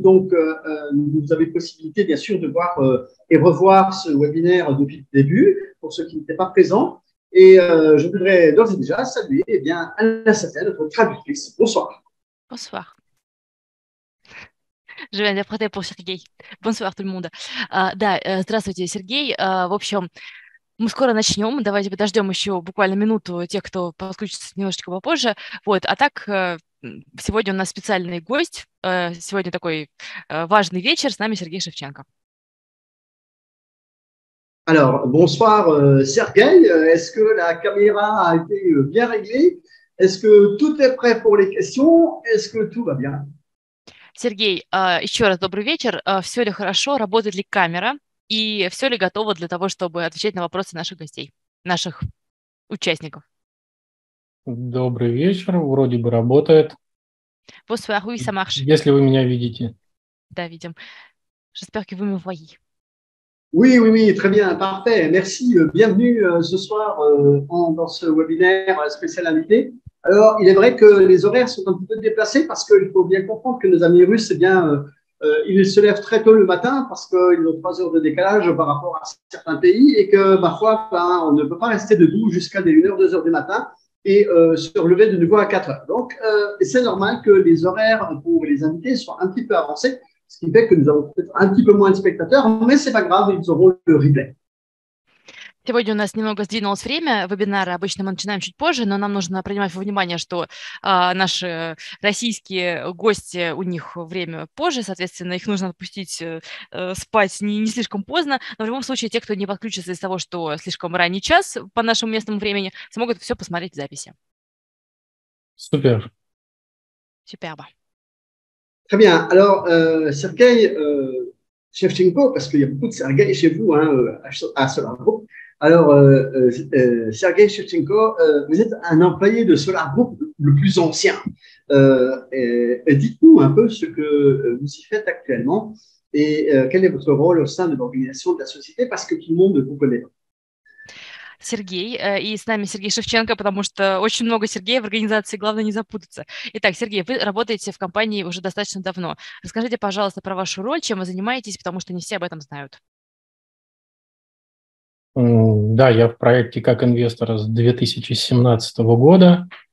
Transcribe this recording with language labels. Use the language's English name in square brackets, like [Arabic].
[French] Donc, vous avez possibilité, bien sûr, de voir et revoir ce webinaire depuis le début, pour ceux qui n'étaient pas présents. Et je voudrais d'ores et déjà saluer eh bien, Anastasia, notre traductrice. Bonsoir. Bonsoir. Je vais interpréter pour Сергей. Bonsoir, tout le monde. [Russian] Да, здравствуйте, Сергей. В общем, мы скоро начнем. Давайте подождем еще буквально минуту тех, кто подключится немножечко попозже. Вот. А так, сегодня у нас специальный гость. Сегодня такой важный вечер. С нами Сергей Шевченко. [French] Alors, bonsoir, Sergueï. Est-ce que la caméra a été bien réglée? Est-ce que tout est prêt pour les questions? Est-ce que tout va bien? [Russian] Сергей, еще раз добрый вечер. Все ли хорошо? Работает ли камера? И все ли готово для того, чтобы отвечать на вопросы наших гостей, наших участников? Добрый вечер. Вроде бы работает. [French] Bonsoir, oui, ça marche. [Russian] Если вы меня видите. Да, видим. [French] J'espère que vous me voyez. Oui, très bien, parfait. Merci, bienvenue ce soir dans ce webinaire spécial invité. Alors, il est vrai que les horaires sont un petit peu déplacés parce qu'il faut bien comprendre que nos amis russes, eh bien, ils se lèvent très tôt le matin parce qu'ils ont 3 heures de décalage par rapport à certains pays et que, ma foi, ben, on ne peut pas rester debout jusqu'à 1h, 2h du matin et se relever de nouveau à 4 heures. Donc, c'est normal que les horaires pour les invités soient un petit peu avancés. Ce qui fait que nous avons peut-être un petit peu moins de spectateurs, mais ce n'est pas grave, ils auront le replay. [Russian] Сегодня у нас немного сдвинулось время вебинара. Обычно мы начинаем чуть позже, но нам нужно принимать во внимание, что наши российские гости, у них время позже, соответственно, их нужно отпустить спать не слишком поздно. Но в любом случае, те, кто не подключится из-за того, что слишком ранний час по нашему местному времени, смогут все посмотреть в записи. Супер. Суперба. [French] Très bien. Alors, Sergueï Shevchenko, parce qu'il y a beaucoup de Sergueï chez vous, hein, à Solar Group. Alors, Sergueï Shevchenko, vous êtes un employé de Solar Group le plus ancien. Et dites-nous un peu ce que vous y faites actuellement et quel est votre rôle au sein de l'organisation de la société, parce que tout le monde ne vous connaît pas. [Russian] Сергей, и с нами Сергей Шевченко, потому что очень много Сергея в организации, главное не запутаться. Итак, Сергей, вы работаете в компании уже достаточно давно. Расскажите, пожалуйста, про вашу роль, чем вы занимаетесь, потому что не все об этом знают. Да, я в проекте как инвестор с 2017 года.